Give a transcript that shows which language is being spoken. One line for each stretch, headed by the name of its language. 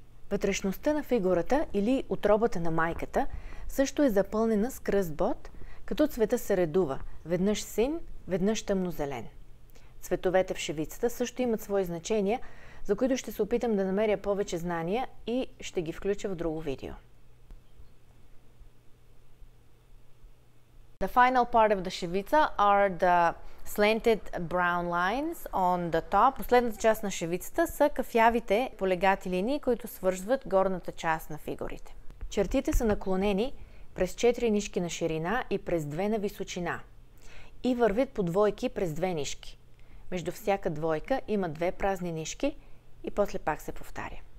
Bulgarian: Вътрешността на фигурата или утробата на майката също е запълнена с кръст бот, като цвета се редува – веднъж син, веднъж тъмнозелен. Цветовете в шевицата също имат свои значения, за които ще се опитам да намеря повече знания и ще ги включа в друго видео.
English: The final part of the шевица are the slanted brown lines on the top.
Bulgarian: Последната част на шевицата са кафявите полегати линии, които свързват горната част на фигурите. Чертите са наклонени през 4 нишки на ширина и през 2 на височина. И вървят по двойки през 2 нишки. Между всяка двойка има 2 празни нишки и после пак се повтаря.